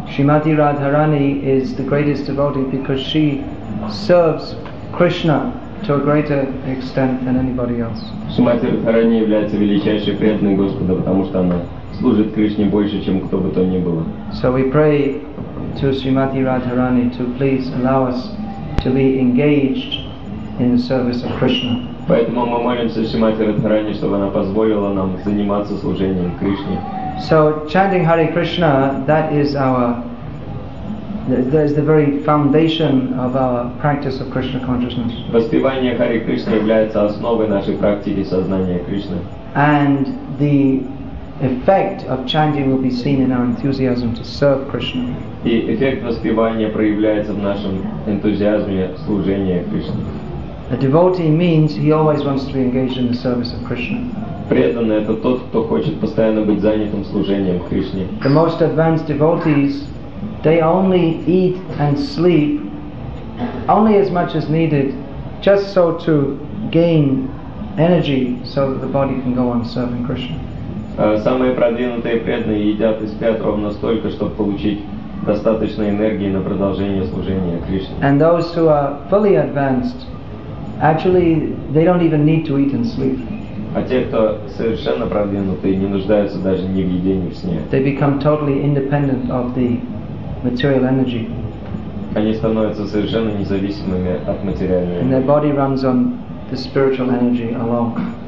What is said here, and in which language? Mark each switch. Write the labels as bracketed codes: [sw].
[en] Шримати Радхарани is the greatest devotee because she serves Krishna to a greater extent than anybody else. [ru] Шримати Радхарани является величайшей преданной Господа, потому что она служит Кришне больше, чем кто бы то ни было. [en] So we pray to Srimati Radharani to please allow us to be engaged in the service of Krishna. [ru] Поэтому мы молимся Шримати Радхарани, чтобы она позволила нам заниматься служением Кришне. [en] So chanting Hare Krishna, that is our, that is the very foundation of our practice of Krishna consciousness. [ru] Воспевание Hare Krishna является основой нашей практики сознания Кришны. [en] And the effect of chanting will be seen in our enthusiasm to serve Krishna. [ru] И эффект воспевания проявляется в нашем энтузиазме служения Кришне. [en] A devotee means he always wants to be engaged in the service of Krishna. [ru] Преданный — это тот, кто хочет постоянно быть занятым служением Кришне. [en] The most advanced devotees, they only eat and sleep only as much as needed, just so to gain energy so that the body can go on serving Krishna. [ru] Самые продвинутые преданные едят и спят ровно столько, чтобы получить достаточно энергии на продолжение служения Кришне. [en] And those who are fully advanced, actually, they don't even need to eat and sleep. [ru] А те, кто совершенно продвинутые, не нуждаются даже ни в еде, ни в сне. [en] They become totally independent of the material energy. [ru] Они становятся совершенно независимыми от материальной энергии. [en] And their body runs on the spiritual energy alone.